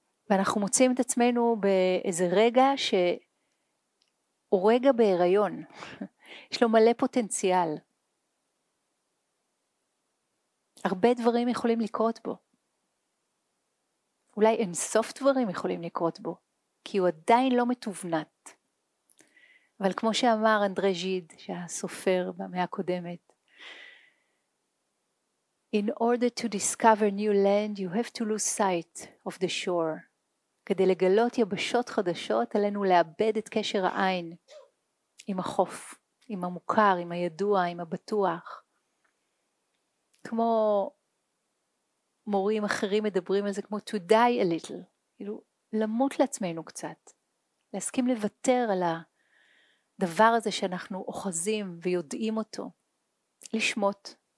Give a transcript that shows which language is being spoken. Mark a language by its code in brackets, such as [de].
[he] ואנחנו מוצאים את עצמנו באיזה רגע שהוא רגע בהיריון. יש לו מלא פוטנציאל. הרבה דברים יכולים לקרות בו. אולי אין סוף דברים יכולים לקרות בו, כי הוא עדיין לא מתובנת. אבל כמו שאמר אנדרי ז'יד, שהסופר במאה הקודמת, [en] In order to discover new land, you have to lose sight of the shore. [he] כדי לגלות יבשות חדשות, עלינו לאבד את קשר העין עם החוף, עם המוכר, עם הידוע, עם הבטוח. כמו מורים אחרים מדברים על זה כמו [en] to die a little, [he] כאילו למות לעצמנו קצת, להסכים לוותר על הדבר הזה שאנחנו אוחזים ויודעים אותו, לשמוט,